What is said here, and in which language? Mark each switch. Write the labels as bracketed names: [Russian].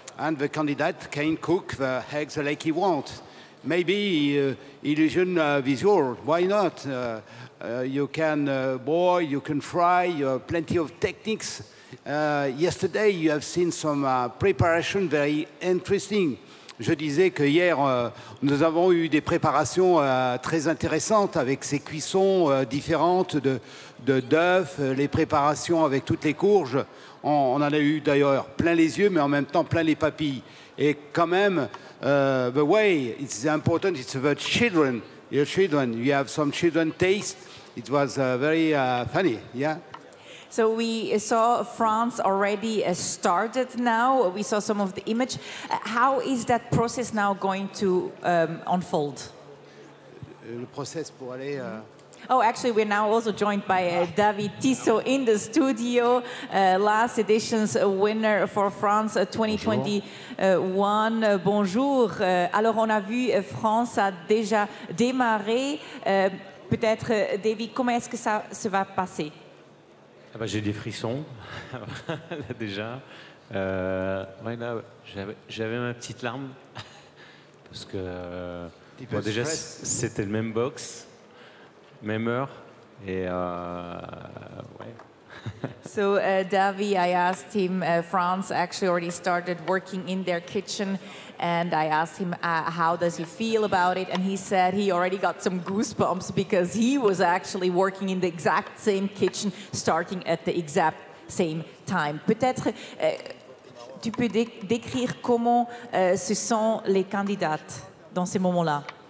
[English] and the candidate can cook the eggs like he wants. Maybe illusion visual, why not? You can boil, you can fry, you have plenty of techniques. Yesterday, you have seen some preparation very interesting. [French] Je disais que hier, nous avons eu des préparations très intéressantes avec ces cuissons différentes de d'œufs, les préparations avec toutes les courges. On en a eu d'ailleurs plein les yeux, mais en même temps plein les papilles. Et quand même, [English] the way it's important, it's about children. Your children, you have some children taste. It was very funny, yeah. So we saw France already started now. We saw some of the image. How is that process now going to unfold? [French] Le process pour aller. [English] Oh, actually, we're now also joined by David Tissot in the studio, last edition's winner for France 2021. [French] Bonjour. Alors, on a vu France a déjà démarré. Peut-être, David, comment est-ce que ça se va passer? Ah bah, j'ai des frissons, là déjà. Ouais, là, j'avais ma petite larme, parce que bon, déjà, c'était le même box. Même heure et ouais. [English] So Davi, I asked him, France actually already started working in their kitchen, and I asked him how does he feel about it, and he said he already got some goosebumps because he was actually working in the exact same kitchen, starting at the exact same time. [French] Peut-être tu peux décrire comment se sont les candidates dans ces moments-là.